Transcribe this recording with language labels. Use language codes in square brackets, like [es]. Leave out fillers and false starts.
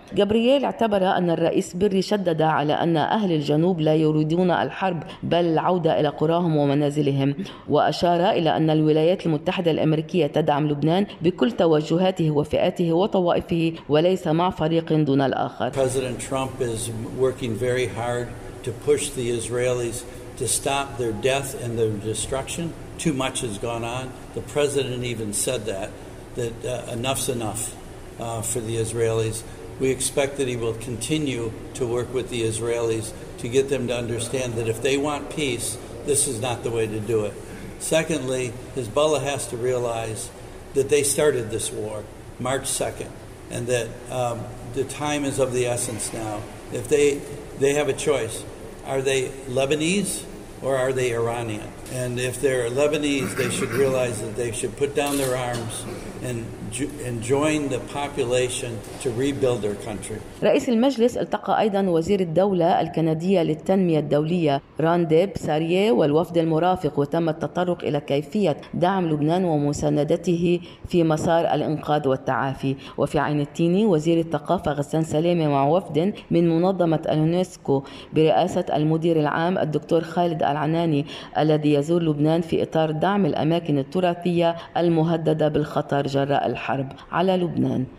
[ar] جابرييل اعتبر أن الرئيس بيري شدد على أن أهل الجنوب لا يريدون الحرب بل العودة إلى قراهم ومنازلهم، وأشار إلى أن الولايات المتحدة الأمريكية تدعم لبنان بكل توجهاته وفئاته وطوائفه وليس مع فريق دون الآخر. [en] President Trump is working very hard to push the Israelis to stop their death and their destruction. Too much has gone on. The president even said that enough's enough for the Israelis. We expect that he will continue to work with the Israelis to get them to understand that if they want peace, this is not the way to do it. Secondly, Hezbollah has to realize that they started this war March 2nd and that the time is of the essence now. If they have a choice, are they Lebanese or are they Iranian? And if they're Lebanese, they should realize that they should put down their arms and join the population to rebuild their country. [ar] رئيس المجلس التقى أيضا وزير الدولة الكندية للتنمية الدولية رانديب ساريه والوفد المرافق، وتم التطرق إلى كيفية دعم لبنان ومساندته في مسار الإنقاذ والتعافي. وفي عين التيني وزير الثقافة غسان سلامة مع وفد من منظمة اليونسكو برئاسة المدير العام الدكتور خالد العناني الذي يزور لبنان في إطار دعم الأماكن التراثية المهددة بالخطر جراء الحرب على لبنان.